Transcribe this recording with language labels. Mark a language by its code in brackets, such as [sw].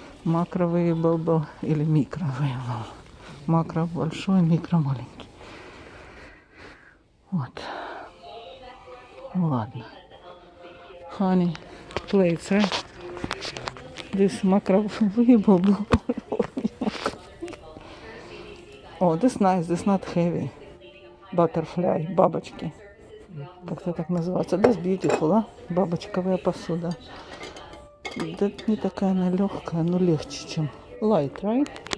[ru] Макровейбл или микровейбл. Макро большой, микро маленький. Вот. Ладно. [en] Honey plates, right? This макровейбл. Oh, this nice, this not heavy. Butterfly, [ru] бабочки. Как это так называется? [en] This beautiful, [ru] а? Бабочковая посуда. Да не такая она легкая, но легче, чем [en] light, right?